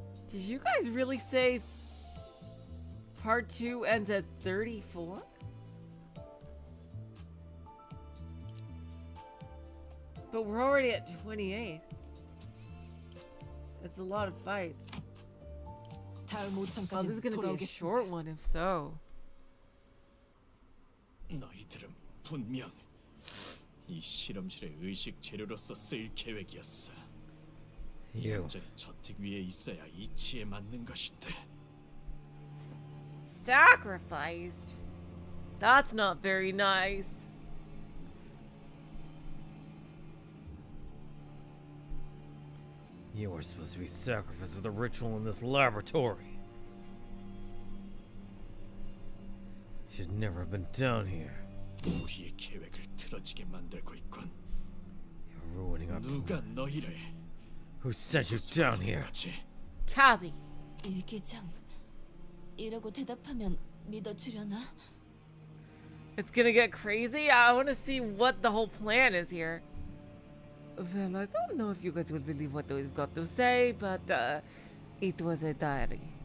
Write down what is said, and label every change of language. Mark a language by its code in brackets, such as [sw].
[en] Did you guys really say part two ends at 34? But we're already at 28. That's a lot of fights. Oh, this is gonna be a short one, if so. [ko] 너희들은 분명 이 실험실의 의식 재료로서 쓸 계획이었어. 현재 저택 위에 있어야 이치에 맞는 것인데. [en] Sacrificed? That's not very nice. You were supposed to be sacrificed for the ritual in this laboratory. You should never have been down here. [ko] 우리의 계획을 틀어지게 만들고 있군. [en] You're ruining our plans. [ko] 누가 너희를? [en] Who sent you down here? Cathy. [ko] 일기장. 이러고 대답하면 믿어주려나? [en] It's gonna get crazy. I want to see what the whole plan is here. Well, I don't know if you guys will believe what we've got to say, but it was a diary.